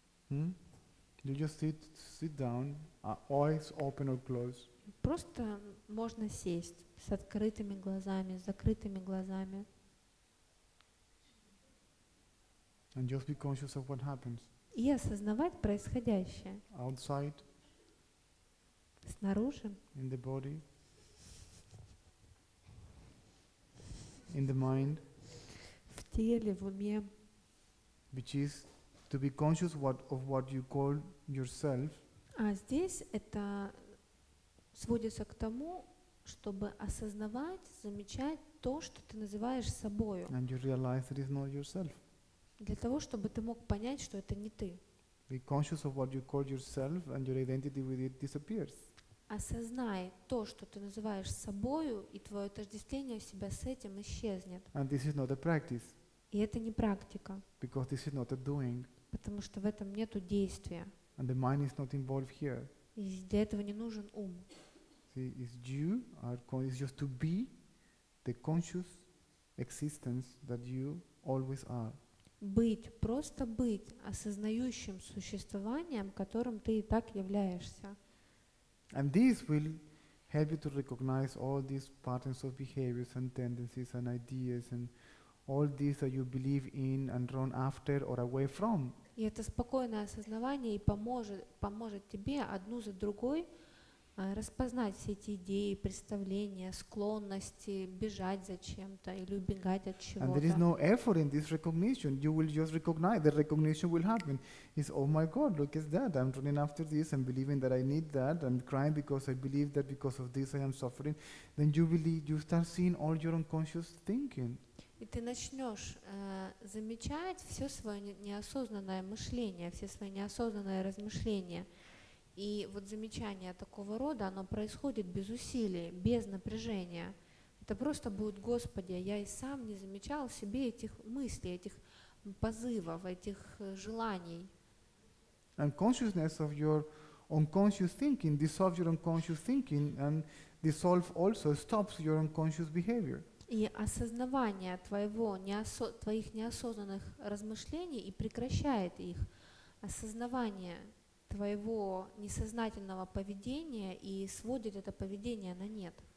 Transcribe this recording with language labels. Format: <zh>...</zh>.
<en>You just sit down, eyes open or closed.</en> <ru>Просто можно сесть с открытыми глазами, с закрытыми глазами.</ru> <en>And just be conscious of what happens.</en> <ru>И осознавать происходящее.</ru> <en>Outside.</en> <ru>Снаружи.</ru> <en>In the body. In the mind,</en> <ru>в теле, в уме,</ru> <en>which is to be conscious of what you call yourself.</en> <ru>А здесь это сводится к тому, чтобы осознавать, замечать то, что ты называешь собою.</ru> <en>And you realize it is not yourself.</en> <ru>Для того, чтобы ты мог понять, что это не ты.</ru> <en>Be conscious of what you call yourself, and your identity with it disappears.</en> <ru>Осознай то, что ты называешь собою, и твое отождествление себя с этим исчезнет.</ru> <en>And this is not a practice.</en> <ru>И это не практика.</ru> <en>Because this is not a doing.</en> <ru>Потому что в этом нету действия.</ru> <en>And the mind is not involved here.</en> <ru>И для этого не нужен ум.</ru> <en>See, it's you are conscious, just to be the conscious existence that you always are.</en> <ru>Быть, просто быть осознающим существованием, которым ты и так являешься.</ru> <en>And this will help you to recognize all these patterns of behaviors and tendencies and ideas and all these that you believe in and run after or away from.</en> <ru>И это спокойное осознавание и поможет тебе одну за другой распознать все эти идеи, представления, склонности бежать за чем-то или убегать от чего-то.</ru> <en>And there is no effort in this recognition. You will just recognize. The recognition will happen. It's, oh my God, look at that. I'm running after this. I'm believing that I need that. I'm crying because I believe that because of this I am suffering. Then you believe, you start seeing all your unconscious thinking.</en> <ru>И ты начнешь замечать все свое неосознанное мышление, все свои неосознанные размышления. И вот замечание такого рода, оно происходит без усилий, без напряжения. Это просто будет, Господи, я и сам не замечал в себе этих мыслей, этих позывов, этих желаний.</ru> <en>And consciousness of your unconscious thinking dissolves your unconscious thinking and dissolve also stops your unconscious behavior.</en> <ru>И осознавание твоих неосознанных размышлений и прекращает их. Осознавание твоего несознательного поведения и сводит это поведение на нет.</ru>